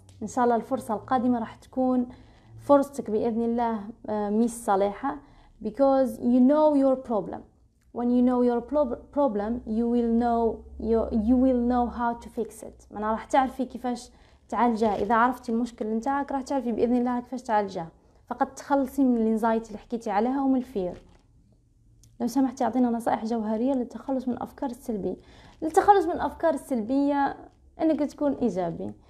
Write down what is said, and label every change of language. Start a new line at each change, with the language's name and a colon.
Arabic: إن شاء الله الفرصة القادمة راح تكون فرصتك بإذن الله ميس صالحة,
English: because you know your problem. When you know your problem, you will know how to fix it.
Arabic: معناها راح تعرفي كيفاش تعالجها. إذا عرفتي المشكلة نتاعك راح تعرفي بإذن الله كيفاش تعالجها. فقط تخلصي من الانزايتي اللي حكيتي عليها ومن الفير. لو سمحتي أعطينا نصائح جوهرية للتخلص من الأفكار السلبية. للتخلص من الأفكار السلبية إنك تكون إيجابي.